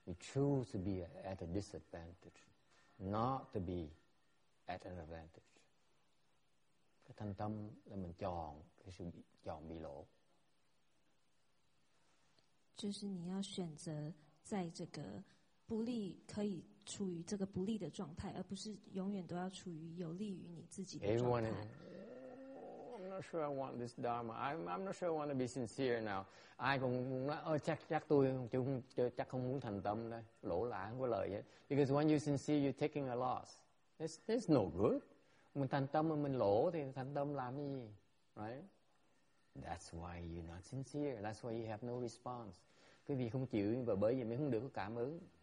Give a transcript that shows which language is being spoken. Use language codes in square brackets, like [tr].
[en] You choose to be at a disadvantage, not to be at an advantage. [vi] Cái thanh tâm là mình chọn cái sự chọn bị lỗ. [zh] 就是你要选择在这个不利，可以处于这个不利的状态，而不是永远都要处于有利于你自己的状态。 [en] I'm not sure I want this dharma. I'm not sure I want to be sincere now. [vi] Ai cũng nói, oh, chắc tôi chắc không muốn thành tâm đây, lỗ lãng của lời ấy. [en] Because when you're sincere, you're taking a loss. It's no good. [vi] Mình thành tâm mà mình lỗ thì thành tâm làm gì, right? [en] That's why you're not sincere. That's why you have no response. [vi] Cái vì không chịu và bởi vì mới không được cảm ứng.